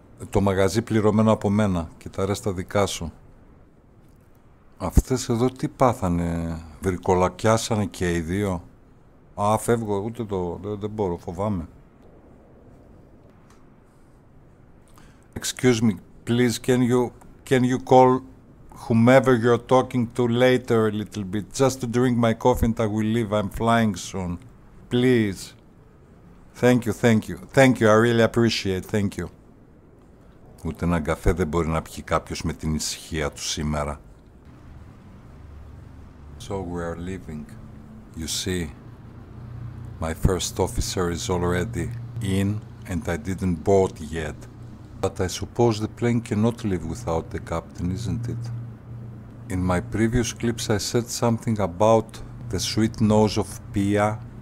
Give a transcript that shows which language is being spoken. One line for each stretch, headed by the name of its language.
Greek: Το μαγαζί πληρωμένο από μένα και τα ρέστα δικά σου. Αυτές εδώ τι πάθανε, βρικολακιάσανε και οι δύο. Α, φεύγω, ούτε το, δεν μπορώ, φοβάμαι.
English: Excuse me, please, can you call whomever you're talking to later a little bit, just to drink my coffee and I will leave, I'm flying soon. Please. Thank you, thank you. Thank you, I really appreciate, thank you.
Greek: Ούτε έναν καφέ δεν μπορεί να πιει κάποιος με την ησυχία του σήμερα.
English: So we are leaving. You see, my first officer is already in and I didn't board yet. But I suppose the plane cannot leave without the captain, isn't it? In my previous clips I said something about the sweet nose of Pia.